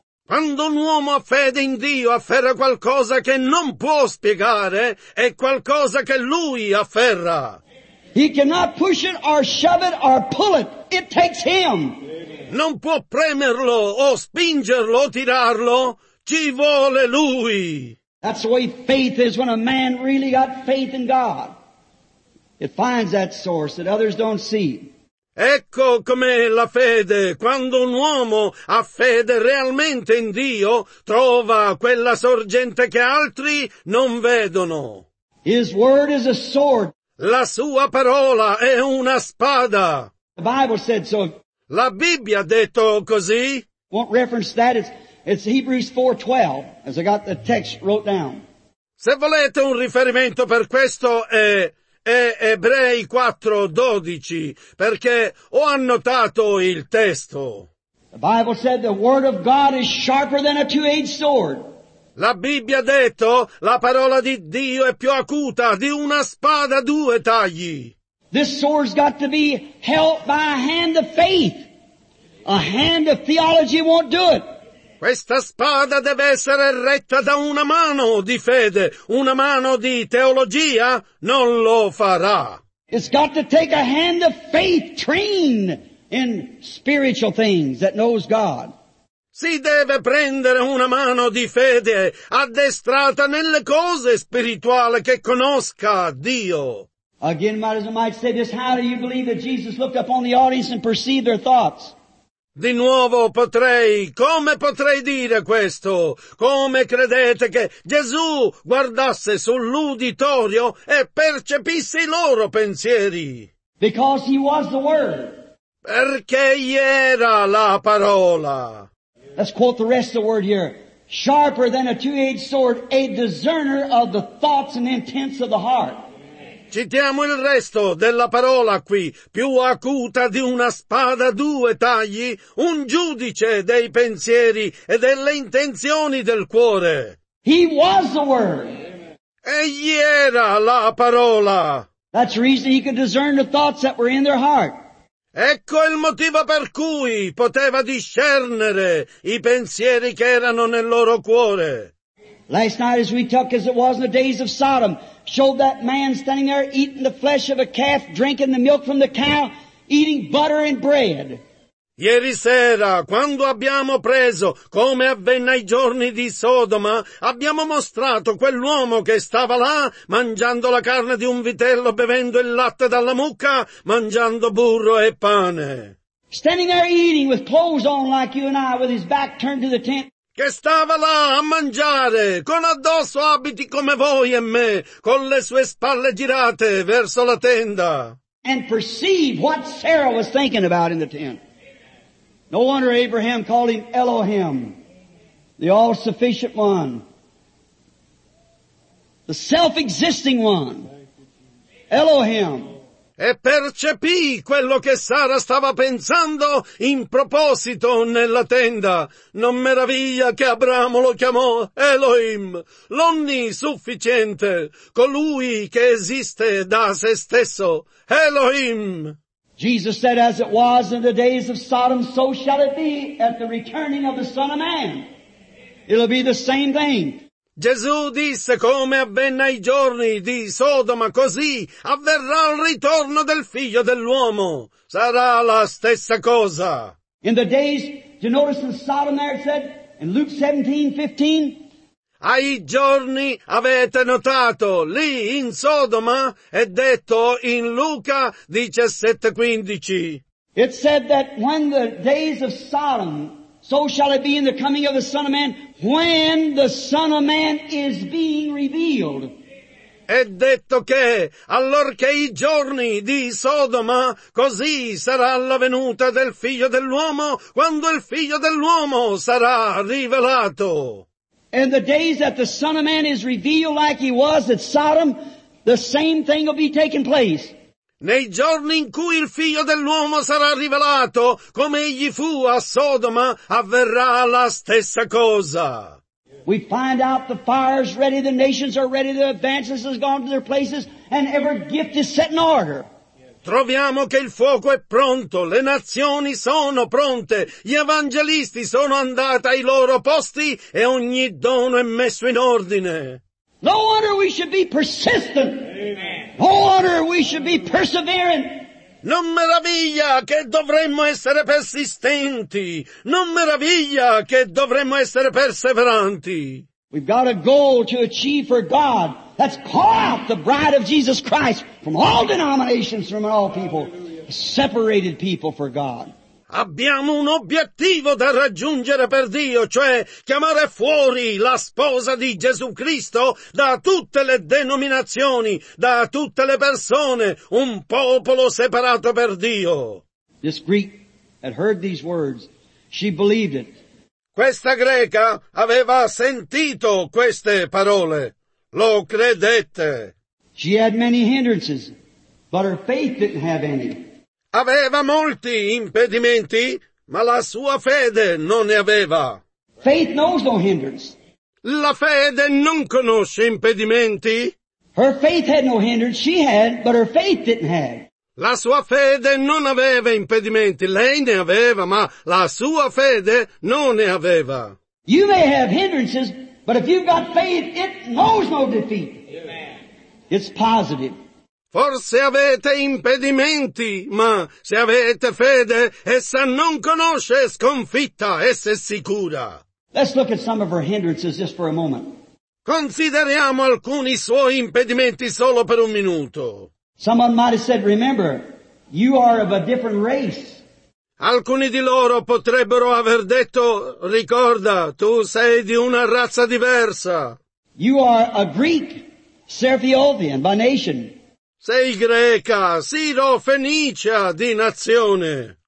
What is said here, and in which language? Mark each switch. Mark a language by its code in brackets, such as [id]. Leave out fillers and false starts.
[it] Quando un uomo ha fede in Dio, afferra qualcosa che non può spiegare, è qualcosa che lui afferra. [en] He cannot push it or shove it or pull it. It takes him. [it] Non può premerlo o spingerlo o tirarlo. Ci vuole lui. [en] That's the way faith is when a man really got faith in God. It finds that source that others don't see. [it] Ecco com'è la fede. Quando un uomo ha fede realmente in Dio, trova quella sorgente che altri non vedono. [en] His word is a sword. [it] La sua parola è una spada. [en] The Bible said so. [it] La Bibbia ha detto così. [en] Won't reference that. It's Hebrews 4:12, as I got the text wrote down. [it] Se volete un riferimento per questo è Ebrei 4:12, perché ho annotato il testo. [en] The Bible said the word of God is sharper than a two-edged sword. [it] La Bibbia ha detto la parola di Dio è più acuta di una spada a due tagli. [en] This sword's got to be held by a hand of faith. A hand of theology won't do it. [it] Questa spada deve essere retta da una mano di fede. Una mano di teologia non lo farà. [en] It's got to take a hand of faith trained in spiritual things that knows God. [it] Si deve prendere una mano di fede addestrata nelle cose spirituali che conosca Dio. [en] Again, as I might say this, how do you believe that Jesus looked up on the audience and perceived their thoughts? [it] Di nuovo potrei, come potrei dire questo? Come credete che Gesù guardasse sull'uditorio e percepisse i loro pensieri? [en] Because he was the Word. [it] Perché egli era la parola. [en] Let's quote the rest of the Word here. Sharper than a two-edged sword, a discerner of the thoughts and intents of the heart. [it] Citiamo il resto della parola qui, più acuta di una spada a due tagli, un giudice dei pensieri e delle intenzioni del cuore. [en] He was the Word. [it] Egli era la parola. [en] That's the reason he could discern the thoughts that were in their heart. [it] Ecco il motivo per cui poteva discernere i pensieri che erano nel loro cuore. [en] Last night as we took as it was in the days of Sodom, showed that man standing there eating the flesh of a calf, drinking the milk from the cow, eating butter and bread. [it] Ieri sera, quando abbiamo preso, come avvenne ai giorni di Sodoma, abbiamo mostrato quell'uomo che stava là, mangiando la carne di un vitello, bevendo il latte dalla mucca, mangiando burro e pane. [en] Standing there eating with clothes on like you and I, with his back turned to the tent. [it] Che stava là a mangiare, con addosso abiti come voi e me, con le sue spalle girate verso la tenda. [en] And perceive what Sarah was thinking about in the tent. No wonder Abraham called him Elohim, the all-sufficient one, the self-existing one, Elohim. [it] E percepì quello che Sara stava pensando in proposito nella tenda. Non meraviglia che Abramo lo chiamò Elohim, l'onnisufficiente, colui che esiste da se stesso, Elohim. [en] Jesus said, as it was in the days of Sodom, so shall it be at the returning of the Son of Man. It'll be the same thing. [it] Gesù disse, come avvenne ai giorni di Sodoma, così avverrà il ritorno del figlio dell'uomo. Sarà la stessa cosa. [en] In the days, you notice in Sodom there it said, in Luke 17:15. [it] Ai giorni avete notato, lì in Sodoma, è detto in Luca 17:15. [en] It said that when the days of Sodom, so shall it be in the coming of the Son of Man, when the Son of Man is being revealed. [it] È detto che, allorché i giorni di Sodoma, così sarà la venuta del Figlio dell'Uomo, quando il Figlio dell'Uomo sarà rivelato. [en] And the days that the Son of Man is revealed like he was at Sodom, the same thing will be taking place. [it] Nei giorni in cui il Figlio dell'uomo sarà rivelato, come egli fu a Sodoma, avverrà la stessa cosa. [en] We find out the fire is ready, the nations are ready, the advances has gone to their places, and every gift is set in order. [it] Troviamo che il fuoco è pronto, le nazioni sono pronte, gli evangelisti sono andati ai loro posti e ogni dono è messo in ordine. [en] No wonder we should be persistent. Amen. No wonder we should be persevering. [it] Non meraviglia che dovremmo essere persistenti. Non meraviglia che dovremmo essere perseveranti. [en] We've got a goal to achieve for God. Let's call out the bride of Jesus Christ from all denominations, from all people, separated people for God. [it] Abbiamo un obiettivo da raggiungere per Dio, cioè chiamare fuori la sposa di Gesù Cristo da tutte le denominazioni, da tutte le persone, un popolo separato per Dio. [en] This Greek had heard these words. She believed it. [it] Questa greca aveva sentito queste parole. Lo credette. [en] She had many hindrances, but her faith didn't have any. [it] Aveva molti impedimenti, ma la sua fede non ne aveva. [en] Faith knows no hindrance. [it] La fede non conosce impedimenti. [en] Her faith had no hindrance. She had, but her faith didn't have. [it] La sua fede non aveva impedimenti. Lei ne aveva, ma la sua fede non ne aveva. [en] You may have hindrances, but if you've got faith, it knows no defeat. Amen. It's positive. [it] Forse avete impedimenti, ma se avete fede, essa non conosce sconfitta, essa è sicura. [en] Let's look at some of her hindrances just for a moment. [it] Consideriamo alcuni suoi impedimenti solo per un minuto. [en] Someone might have said, remember, you are of a different race. [it] Alcuni di loro potrebbero aver detto, ricorda, tu sei di una razza diversa. [en] You are a Greek, Serfiothian, by nation. [it] Sei greca, Sirofenicia di nazione.